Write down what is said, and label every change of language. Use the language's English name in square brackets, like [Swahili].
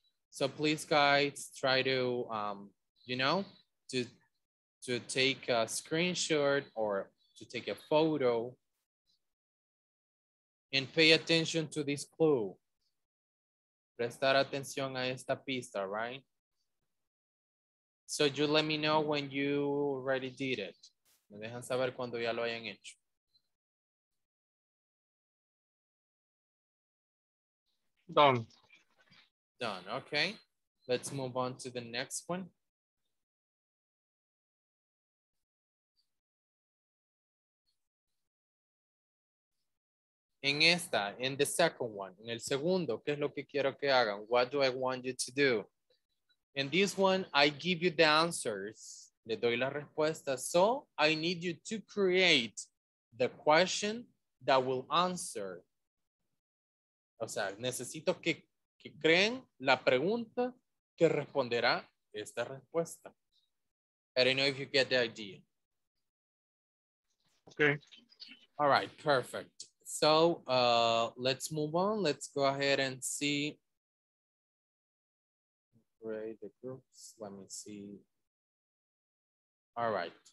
[English] So please, guys, try to, to take a screenshot or to take a photo. And pay attention to this clue. [Spanish] Prestar atención a esta pista, [English] right? So you let me know when you already did it. [Spanish] Me dejan saber cuando ya lo hayan hecho. [English] Done. Done, okay. Let's move on to the next one. [Spanish] En esta, [English] in the second one, [Spanish] en el segundo, ¿qué es lo que quiero que hagan? [English] What do I want you to do? In this one, I give you the answers. [Spanish] Le doy la respuesta. [English] So, I need you to create the question that will answer. [Spanish] O sea, necesito que creen la pregunta que responderá esta respuesta. [English] I don't know if you get the idea. Okay. All right, perfect. So let's move on. Let's go ahead and see. Create the groups. Let me see. All right.